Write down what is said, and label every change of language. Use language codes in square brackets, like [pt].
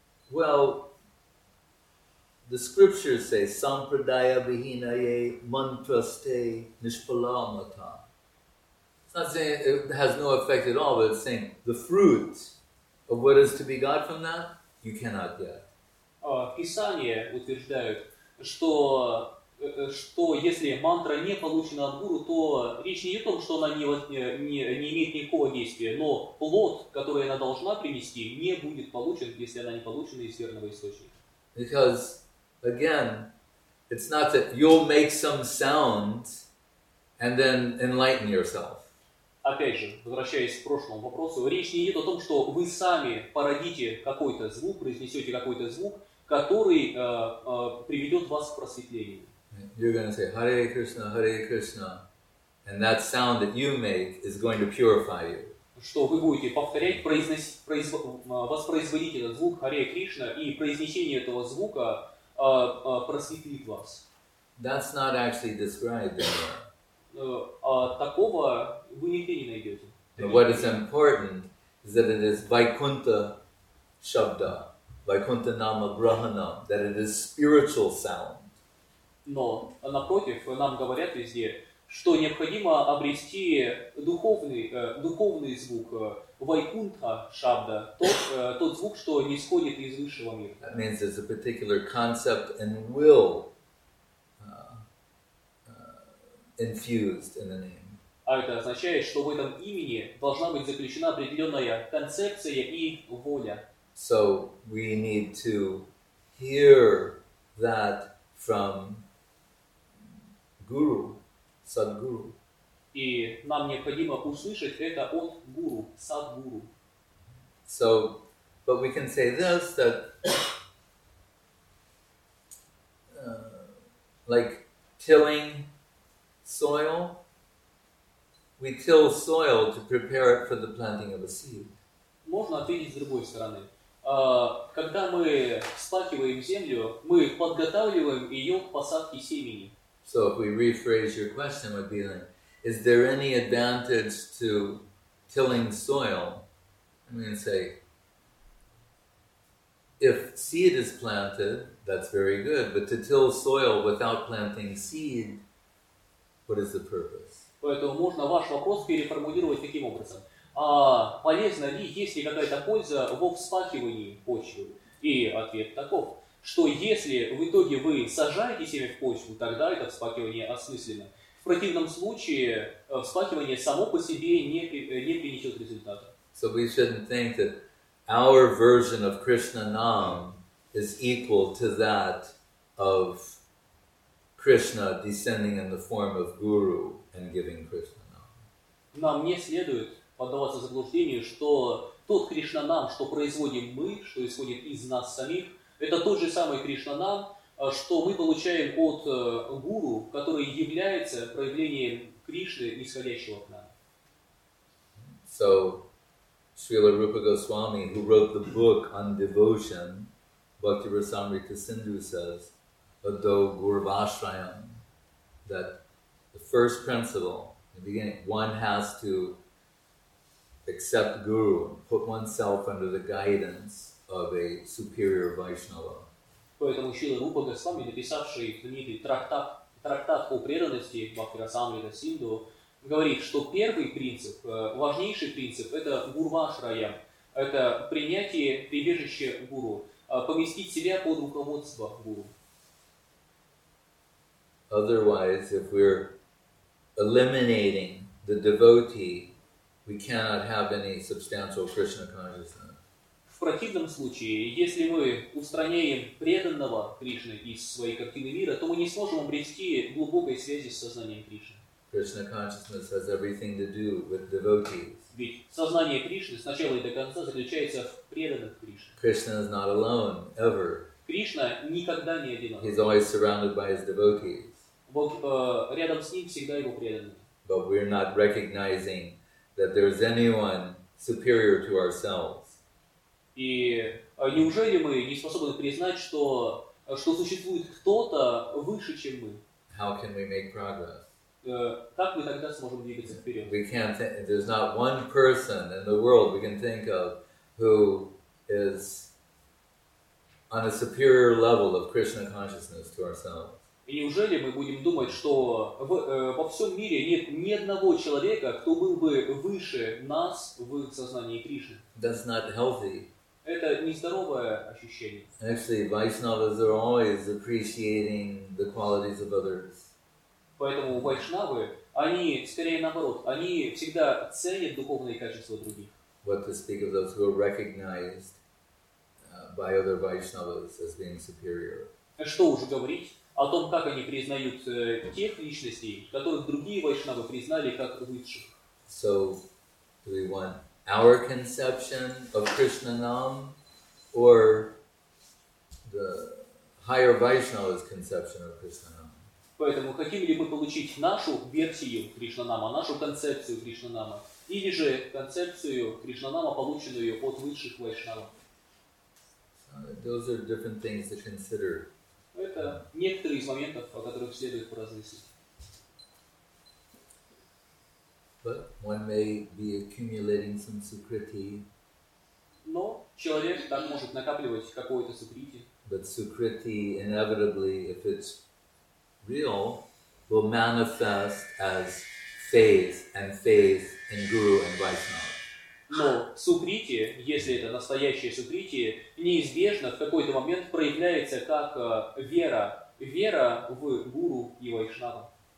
[en] Well, the scriptures say [sa] sampradaya vihinaye mantraste nishpalamata. [en] It's not saying it has no effect at all, but it's saying the fruit of what is to be got from that, you cannot get. [ru] Писания утверждают, что если мантра не получена от гуру, то речь не о том, что она не имеет никакого действия, но плод, который она должна принести, не будет получен, если она не получена из верного источника. [en] Because, again, it's not that you'll make some sound and then enlighten yourself. [ru] Опять же, возвращаясь к прошлому вопросу, речь не идет о том, что вы сами породите какой-то звук, произнесете какой-то звук, который приведет вас к просветлению. [en] You're going to say, Hare Krishna, Hare Krishna. And that sound that you make is going to purify you. [ru] Что вы будете повторять, воспроизводить этот звук Харе Кришна, и произнесение этого звука просветлит вас. [en] That's not actually described anywhere. [ru] Такого вы нигде не найдете. [en] But what is important is that it is Vaikuntha Shabda, [sa] Vaikuntha Nama Grahanam, [en] that it is spiritual sound. [ru] Но, напротив, нам говорят везде, что необходимо обрести духовный звук, Вайкунтха Шабда, тот звук, что не исходит из высшего мира. [en] That means there's a particular concept and will infused in the name. [ru] А это означает, что в этом имени должна быть заключена определенная концепция и воля. [en] So we need to hear that from Guru. [ru] Садгуру. И нам необходимо услышать это от гуру, садгуру. [en] So, but we can say this, that like tilling soil, we till soil to prepare it for the planting of a seed. [ru] Можно ответить с другой стороны. Когда мы вспахиваем землю, мы подготавливаем ее к посадке семени. [en] So if we rephrase your question, would be like, is there any advantage to tilling soil? I'm going to say, if seed is planted, that's very good, but to till soil without planting seed, what is the purpose? [ru] Поэтому можно ваш вопрос переформулировать таким образом. Полезна ли, есть ли какая-то польза во вспахивании почвы? И ответ таков. Что если в итоге вы сажаете семя в почву, тогда это вспахивание осмысленно. В противном случае вспахивание само по себе не принесет результата. [en] So we shouldn't think that our version of Krishna Nam is equal to that of Krishna descending in the form of Guru and giving Krishna Nam. [ru] Нам не следует поддаваться заблуждению, что тот Кришна Нам, что производим мы, что исходит из нас самих, это тот же самый Кришна-нам, что мы получаем от гуру, который является проявлением Кришны, исходящего от нас. [en] So, Srila Rupa Goswami, who wrote the book on devotion, Bhakti Rasamrita Sindhu says, [sa] Ado Gurvashrayam, [en] that the first principle, the beginning, one has to accept guru, put oneself under the guidance of a superior Vaishnava. [ru] Поэтому Шрила Рупа Госвами, написавший книгу трактат о преданности Бхакти Расамрита Синду, говорит, что первый принцип, важнейший принцип, это гурвашрая, это принятие прибежища гуру, поместить себя под руководство гуру. [en] Otherwise, if we're eliminating the devotee, we cannot have any substantial Krishna consciousness. [ru] В противном случае, если мы устраняем преданного Кришны из своей картины мира, то мы не сможем обрести глубокой связи с сознанием Кришны. [en] Krishna consciousness has everything to do with devotees. [ru] Ведь сознание Кришны сначала и до конца заключается в преданных Кришне. [en] Krishna is not alone, ever. [ru] Кришна никогда не одинок. [en] He's always surrounded by his devotees. [ru] Вот рядом с ним всегда его преданные. [en] But we're not recognizing that there is anyone superior to ourselves. [ru] И неужели мы не способны признать, что существует кто-то выше, чем мы? [en] How can we make progress? [ru] Как мы тогда сможем двигаться вперед? [en] We can't think, there's not one person in the world we can think of who is on a superior level of Krishna consciousness to ourselves. [ru] И неужели мы будем думать, что во всем мире нет ни одного человека, кто был бы выше нас в сознании Кришны? [en] That's not healthy. [ru] Это нездоровое ощущение. [en] Actually, Vaishnavas are always appreciating the qualities of others. [ru] Поэтому Вайшнавы, они, скорее наоборот, они всегда ценят духовные качества других. [en] What to speak of those who are recognized by other Vaishnavas as being superior. [ru] Что уже говорить о том, как они признают тех личностей, которых другие Вайшнавы признали как высших. [en] So, do we want our conception of Krishna Nam or the higher Vaishnava's conception of Krishna Nam? [ru] Поэтому хотим ли мы получить нашу версию Кришнанама, нашу концепцию Кришнанама, или же концепцию Кришнанама, полученную от высших вайшнавов. Это некоторые из моментов, о которых следует поразмыслить. [en] But one may be accumulating some sukriti. [ru] Но человек так может накапливать какое-то сукрити. [en] But sukriti inevitably, if it's real, will manifest as faith and faith in guru and vaishnava. [ru] Но сукрити, если это настоящее сукрити, неизбежно в какой-то момент проявляется как вера в гуру и вайшнава.